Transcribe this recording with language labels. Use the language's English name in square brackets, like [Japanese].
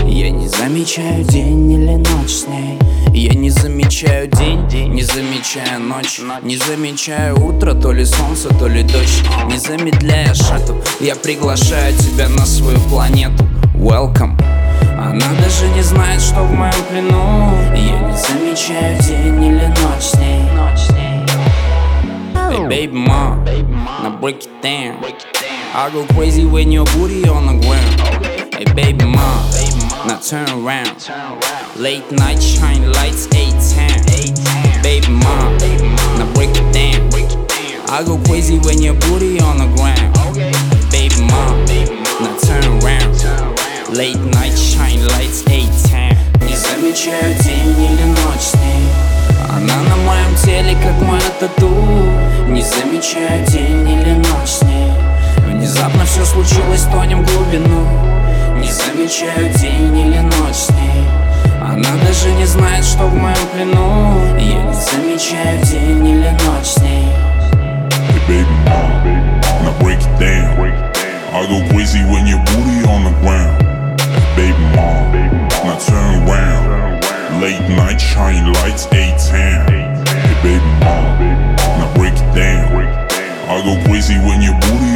[Russian] Я не замечаю день или ночь с ней. Я не замечаю день, не замечаю ночь. Не замечаю утро, то ли солнце, то ли дождь. Не замедляя шаг, я приглашаю тебя на свою планету. [English] Welcome. [Russian] Она даже не знает, что в моем плену. Я не замечаю день или ночь с ней. [English] Hey, baby, ma, now break it down. I go crazy when your booty on the ground. Hey, baby, ma, now turn around. Late night shine lights, 8:10. Baby, ma, now break it down. I go crazy when your booty on the ground. Baby, ma, now turn around. Late night shine lights, 8:10. [Russian] Не замечаю день или ночь с ней. Она на моем теле, как моя тату. Не замечаю день или ночь с ней. Внезапно все случилось, тонем в глубину. Не замечаю день или ночь с ней. Она даже не знает, что в моем плену. Я не замечаю день или ночь с ней. [English] Hey, baby, ma, now break it down. I go crazy when your booty on the ground. Baby, ma, now turn around. Late night shine lights, 8:10. Hey, baby, ma, now break it down. I go crazy when your booty on the ground.